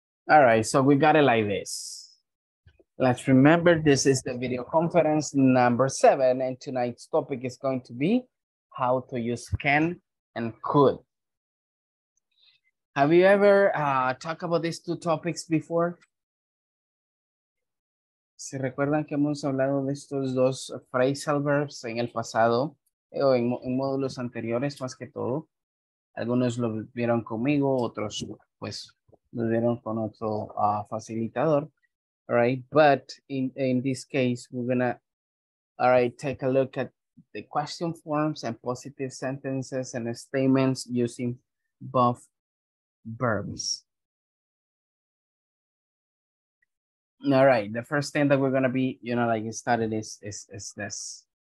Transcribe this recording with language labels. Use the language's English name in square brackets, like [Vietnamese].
[English] All right, so we got it like this. Let's remember this is the video conference number 7 and tonight's topic is going to be how to use can and could. Have you ever talked about these two topics before? [Spanish] ¿Se recuerdan que hemos hablado de estos dos phrasal verbs en el pasado o en módulos anteriores más que todo? Algunos lo vieron conmigo, otros pues lo dieron con otro facilitador, [English] all right? But in this case, we're gonna, all right, take a look at the question forms and positive sentences and statements using both verbs. All right, the first thing that we're gonna be, you know, like started is this.